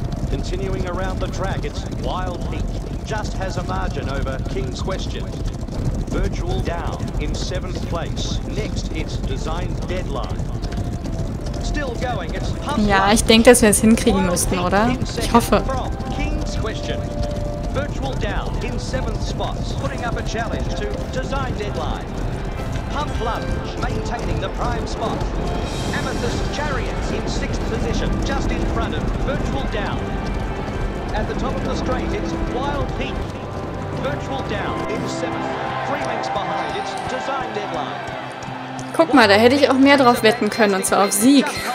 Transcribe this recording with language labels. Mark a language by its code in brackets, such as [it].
[en] Continuing around the track, it's Wild Peak. Just has a margin over King's Question. Virtual Down in 7th place. Next, it's Design Deadline. Still going, it's Pump. [de] Ja, ich denke, dass wir es hinkriegen müssten, oder? Ich hoffe. [en] King's Question. Virtual Down in 7th spot. Putting up a challenge to Design Deadline. Pump Lunge, maintaining the prime spot. Amethyst Chariots in 6th position, just in front of Virtual Down. At the top of the straight, it's Wild Peak. Virtual Down in 7th. 3 lengths behind, it's Design Deadline. [de] Guck mal, da hätte ich auch mehr drauf wetten können, und zwar auf Sieg.